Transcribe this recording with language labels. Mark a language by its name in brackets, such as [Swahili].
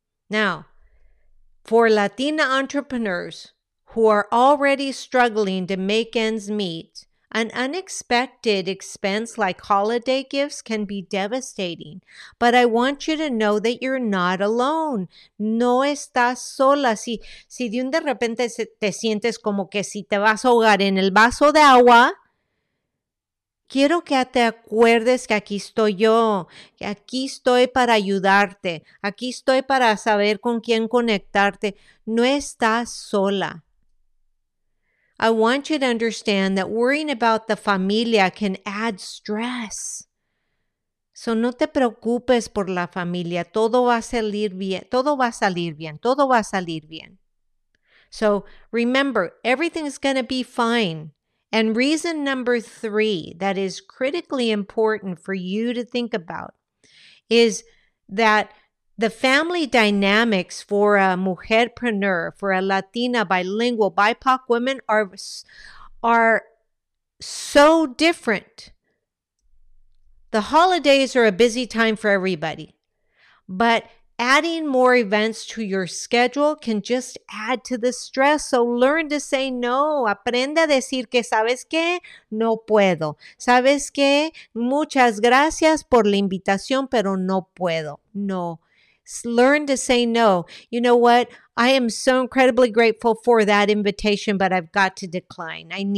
[English] Now, for Latina entrepreneurs who are already struggling to make ends meet, an unexpected expense like holiday gifts can be devastating. But I want you to know that you're not alone. [Spanish] No estás sola. Si de repente te sientes como que si te vas a ahogar en el vaso de agua, quiero que te acuerdes que aquí estoy yo, que aquí estoy para ayudarte, aquí estoy para saber con quién conectarte. No estás sola. [English] I want you to understand that worrying about the familia can add stress. [Spanish] So no te preocupes por la familia. Todo va a salir bien. Todo va a salir bien. Todo va a salir bien. [English] So remember, everything's going to be fine. And reason number three that is critically important for you to think about is that the family dynamics for a mujerpreneur, for a Latina, bilingual, BIPOC woman are so different The holidays are a busy time for everybody, but adding more events to your schedule can just add to the stress. So learn to say no. [Spanish] Aprende a decir que, ¿sabes qué? No puedo. ¿Sabes qué? Muchas gracias por la invitación, pero no puedo. [English] No. Learn to say no. You know what? I am so incredibly grateful for that invitation, but I've got to decline.